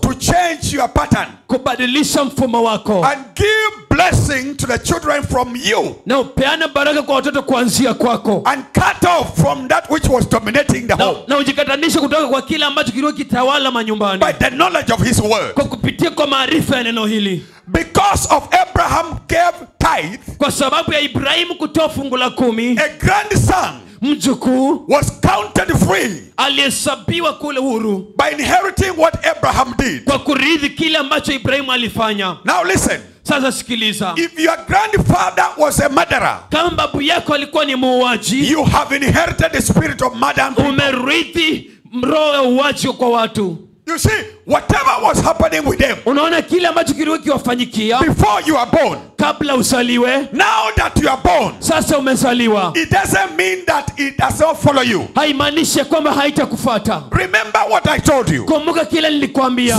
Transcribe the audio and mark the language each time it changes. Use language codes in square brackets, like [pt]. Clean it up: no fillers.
[en] to change your pattern, [sw] kubadilisha mfumo wako, [en] and give blessing to the children from you, [sw] na upeana baraka kwa watoto kuanzia kwako, [en] and cut off from that which was dominating the home, [sw] na ujikatanishe kutoka kwa kila ambacho kilikuwa kitawala manyumbani, [en] by the knowledge of his word, [sw] kwa kupitia kwa maarifa ya neno hili. [en] Because of Abraham gave tithe, [sw] kwa sababu ya Ibrahimu kutoa fungu la 10, [en] a grandson [sw] mjukuu [en] was counted free, [sw] alihesabiwa kule huru, [en] by inheriting what Abraham did, [sw] kwa kurithi kile ambacho Ibrahimu alifanya. [en] Now listen, [sw] sasa sikiliza. [en] If your grandfather was a murderer, [sw] kama babu yako alikuwa ni muuaji, [en] you have inherited the spirit of murder, [sw] umerithi roho ya uuaji kwa watu. [en] You see, whatever was happening with them, [sw] unaona kile ambacho kiliwafanyikia, [en] before you are born, [sw] kabla usaliwe, [en] now that you are born, [sw] sasa umezaliwa, [en] it doesn't mean that it does not follow you, [sw] haimaanishi kwamba haitakufuata. [en] Remember what I told you, [sw] kumbuka kile nilikwambia.